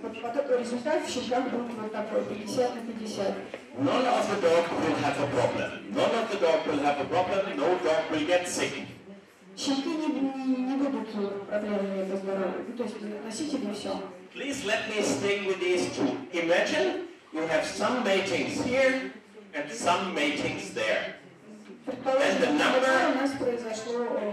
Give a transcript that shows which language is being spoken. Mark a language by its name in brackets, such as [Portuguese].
[Russian] Вот потом результат в щенках будет вот такой, 50 на 50. [English] None of the dog will have a problem. None of the dog will have a problem. No dog will get sick. [Russian] Щенки не будут проблемами по здоровью. То есть носители все. [English] Please let me stay with these two. Imagine you have some matings here and some matings there. And the number.